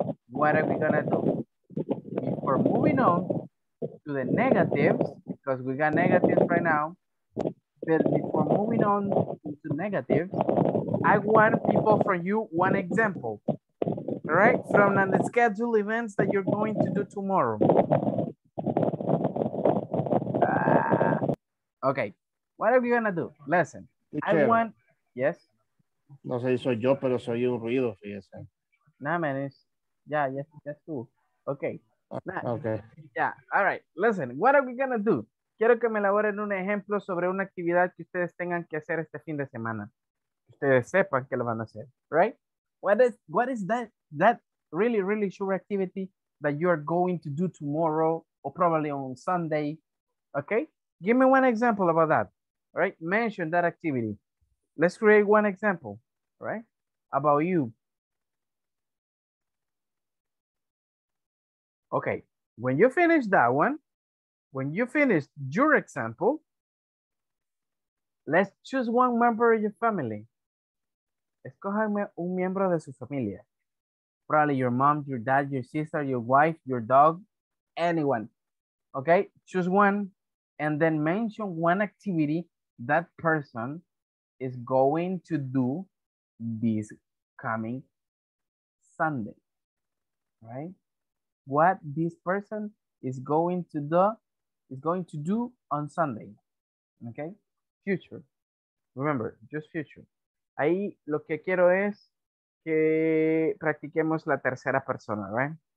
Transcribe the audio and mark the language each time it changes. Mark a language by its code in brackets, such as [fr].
[en] What are we gonna do? Before moving on to the negatives, because we got negatives right now, but before moving on to negatives, I want people from you one example, all right? From the scheduled events that you're going to do tomorrow. Okay, what are we gonna do? Listen, I want Yes. [es] No sé si soy yo, pero soy un ruido, fíjese. [en] Nah, man, it's, yeah, yes, yes, too. Okay. Nah. Okay. Yeah, all right, listen, what are we gonna do? [es] Quiero que me elaboren un ejemplo sobre una actividad que ustedes tengan que hacer este fin de semana. Ustedes sepan que lo van a hacer, right? [en] What is that really, really sure activity that you are going to do tomorrow or probably on Sunday, okay? Give me one example about that, right? Mention that activity. Let's create one example, right? About you. Okay, when you finish that one, when you finish your example, let's choose one member of your family. [es] Escójame un miembro de su familia. [en] Probably your mom, your dad, your sister, your wife, your dog, anyone. Okay, choose one and then mention one activity that person is going to do this coming Sunday, right? What this person is going to do on Sunday, okay? Future, remember, just future. [es] Ahí lo que quiero es que practiquemos la tercera persona, right?